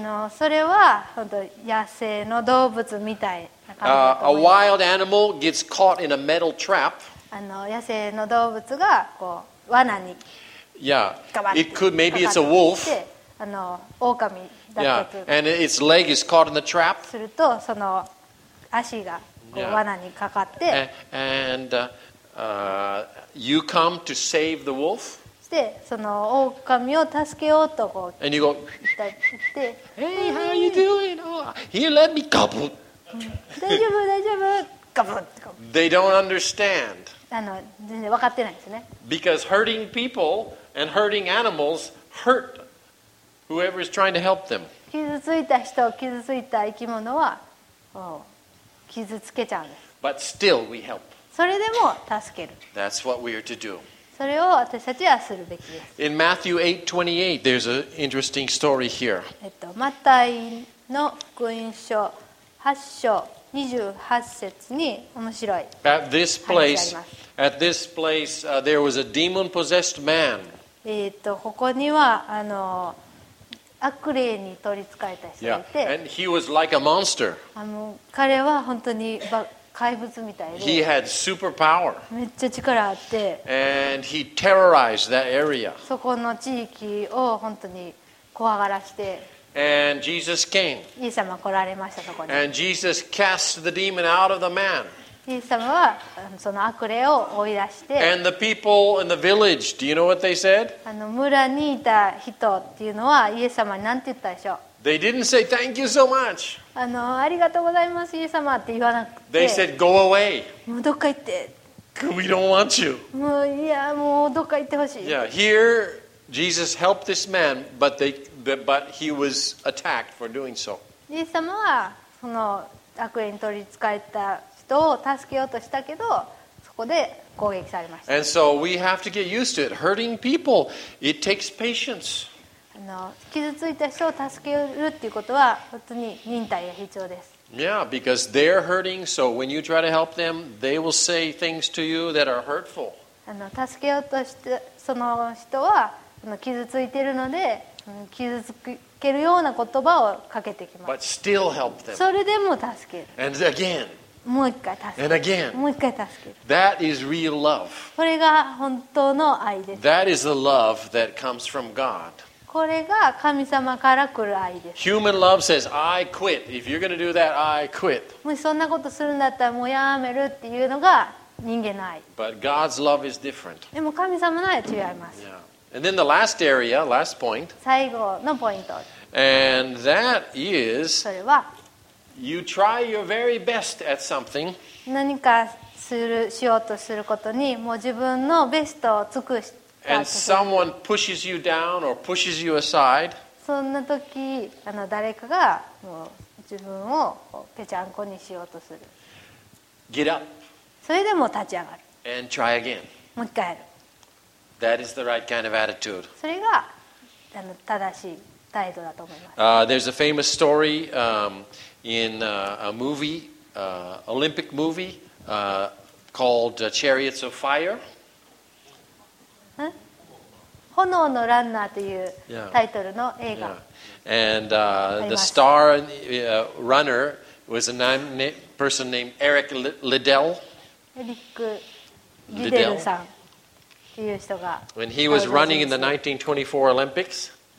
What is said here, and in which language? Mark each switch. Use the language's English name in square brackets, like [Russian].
[Japanese] それは本当野生の動物みたいな感じだと思います。 [English] A wild animal gets caught in a metal trap. [Japanese] 野生の動物がこう罠に引っかかって、 Yeah. [English] It could maybe it's a wolf. [Japanese] 狼だったとか、Yeah. [English] And its leg is caught in the trap. [Japanese] するとその足がこう罠にかかって、 Yeah. [English] And you come to save the wolf. [Japanese] でその狼を助けようとこう言ったって、 [English] Hey, how you doing? Oh, here, let me go. [Japanese] 大丈夫大丈夫。ガブッ。 [English] They don't understand. [Japanese] 全然分かってないですね。 [English] Because hurting people and hurting animals hurt whoever is trying to help them. [Japanese] 傷ついた人、傷ついた生き物は傷つけちゃうんです。 [English] But still we help. [Japanese] それでも助ける。 [English] That's what we are to do. [Japanese] それを私たちはするべきです。 [English] In Matthew 8:28, there's an interesting story here. [Japanese] マタイの福音書8章28節に面白い話があります。 [English] At this place, there was a demon-possessed man. [Japanese] ここにはあの悪霊に取り憑かれた人がいて、 Yeah. [English] And he was like a monster. [Japanese] 彼は本当に怪物みたいで、 [English] He had superpower. [Japanese] めっちゃ力あって、 [English] And he terrorized that area. [Japanese] そこの地域を本当に怖がらして、 [English] And Jesus came. [Japanese] イエス様来られましたそこに、 [English] And Jesus cast the demon out of the man. [Japanese] イエス様はその悪霊を追い出して、 [English] And the people in the village, do you know what they said? [Japanese] 村にいた人っていうのはイエス様に何て言ったでしょう？ [English] They didn't say thank you so much. [Japanese] ありがとうございます、イエス様って言わなくて。 [English] They said go away. [Japanese] もうどっか行って。 [English] We don't want you. [Japanese] もういやもうどっか行ってほしい。 [English] Yeah, here Jesus helped this man, but they But he was attacked for doing so. [Japanese] イエス様はその悪霊に取り憑かれた人を助けようとしたけど、そこで攻撃されました。 [English] And so we have to get used to it. Hurting people, it takes patience. [Japanese] 傷ついた人を助けるっていうことは本当に忍耐が必要です。 [English] Yeah, because they're hurting, so when you try to help them, they will say things to you that are hurtful. [Japanese] 助けようとしてその人は傷ついてるので、傷つけるような言葉をかけてきます。 [English] But still help them. [Japanese] それでも助ける。 [English] And again. [Japanese] もう一回助ける。 [English] And again. [Japanese] もう一回助ける。 [English] That is real love. [Japanese] これが本当の愛です。 [English] That is the love that comes from God. [Japanese] これが神様から来る愛です。 [English] Human love says, I quit. If you're going to do that, I quit. [Japanese] もしそんなことするんだったらもうやめるっていうのが人間の愛。 [English] But God's love is different. [Japanese] でも神様の愛は違います。 [English] Yeah. And then the last area, last point. [Japanese] 最後のポイント。 [English] And that is, [Japanese] それは、 [English] you try your very best at something. [Japanese] 何かするしようとすることに、もう自分のベストを尽くして、 [English] And someone pushes you down or pushes you aside. [Japanese] そんな時、誰かがもう自分をぺちゃんこにしようとする。 [English] Get up. [Japanese] それでも立ち上がる。 [English] And try again. [Japanese] もう一回やる。 [English] That is the right kind of attitude. [Japanese] それが正しい態度だと思います。 [English] There's a famous story in a movie, Olympic movie, called Chariots of Fire. [Japanese] 炎のランナーというタイトルの映画。 Yeah. [English] And the star runner was a person named Eric Liddell. [Japanese] エリック・リデルさんという人が。 [English] When he was running in the 1924 Olympics.